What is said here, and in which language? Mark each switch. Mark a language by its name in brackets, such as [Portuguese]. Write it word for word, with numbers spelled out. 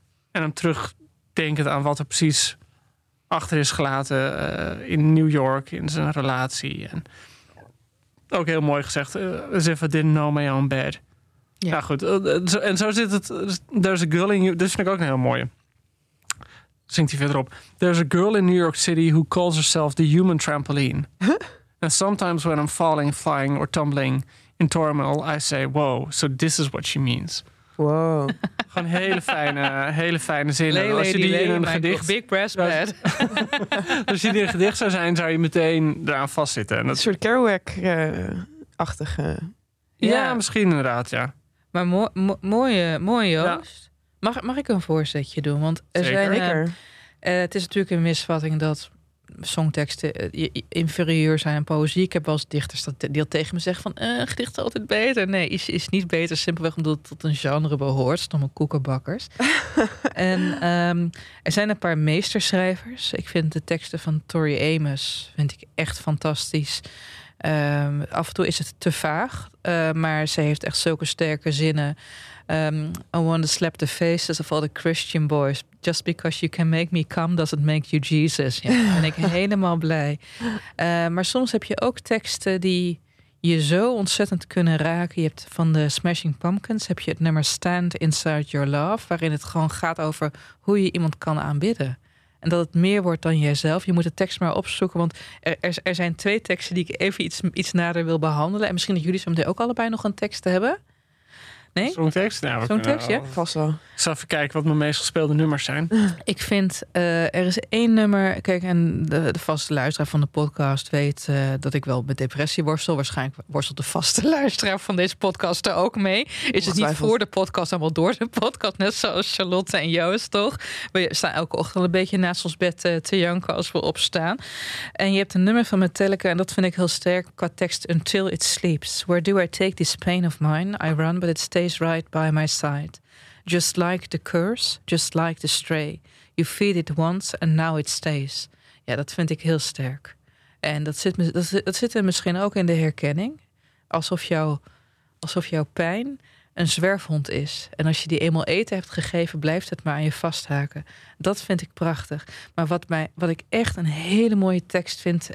[Dutch] En hem terugdenkend aan wat er precies achter is gelaten uh, in New York, in zijn relatie. En ook heel mooi gezegd, uh, [English] as if I didn't know my own bed. [Dutch] Ja, nou goed. Uh, zo, en zo zit het. [English] There's a girl in you. [Dutch] Dit vind ik ook een heel mooie. Zingt hij verderop. [English] There's a girl in New York City who calls herself the human trampoline. Huh? And sometimes when I'm falling, flying or tumbling in turmoil, I say, wow, so this is what she means. Wow. [Dutch] Gewoon hele fijne, hele fijne zinnen. Lay, als je die [English] lady, [Dutch] in een gedicht... [English] Big brass bed. [Dutch] Als je die in een gedicht zou zijn, zou je meteen eraan vastzitten. En dat... Een soort Kerouac-achtige... Uh, ja, ja, misschien inderdaad, ja. Maar mooi, mo- mooi, mooi Joost. Ja. Mag, mag ik een voorzetje doen? Want er Zeker. zijn, uh, uh, het is natuurlijk een misvatting dat songteksten uh, inferieur zijn aan poëzie. Ik heb wel eens dichters dat deel tegen me zeggen van uh, gedicht is altijd beter. Nee, is, is niet beter. Simpelweg omdat het tot een genre behoort. Stomme koekenbakkers. en um, er zijn een paar meesterschrijvers. Ik vind de teksten van Tori Amos vind ik echt fantastisch. Um, af en toe is het te vaag. Uh, maar ze heeft echt zulke sterke zinnen. [English] Um, I want to slap the faces of all the Christian boys. Just because you can make me come doesn't make you Jesus. [Dutch] Ja, daar ben ik helemaal blij. Uh, maar soms heb je ook teksten die je zo ontzettend kunnen raken. Je hebt van de Smashing Pumpkins heb je het nummer Stand Inside Your Love, waarin het gewoon gaat over hoe je iemand kan aanbidden. En dat het meer wordt dan jijzelf. Je moet de tekst maar opzoeken. Want er, er, er zijn twee teksten die ik even iets, iets nader wil behandelen. En misschien dat jullie zo meteen ook allebei nog een tekst hebben. Nee? Zo'n tekst? Nou, Zo'n tekst, ja. Vast wel. Ik zal even kijken wat mijn meest gespeelde nummers zijn. Ik vind, uh, er is één nummer... Kijk, en de, de vaste luisteraar van de podcast weet uh, dat ik wel met depressie worstel. Waarschijnlijk worstelt de vaste luisteraar van deze podcast er ook mee. Is het niet voor de podcast, allemaal door de podcast. Net zoals Charlotte en Joost, toch? We staan elke ochtend een beetje naast ons bed uh, te janken als we opstaan. En je hebt een nummer van Metallica, en dat vind ik heel sterk qua tekst. [English] Until it sleeps. Where do I take this pain of mine? I run, but it stays right by my side. Just like the curse, just like the stray. You feed it once and now it stays. [Dutch] Ja, dat vind ik heel sterk. En dat zit, dat zit, dat zit er misschien ook in de herkenning. Alsof, jou, alsof jouw pijn een zwerfhond is. En als je die eenmaal eten hebt gegeven, blijft het maar aan je vasthaken. Dat vind ik prachtig. Maar wat, mij, wat ik echt een hele mooie tekst vind...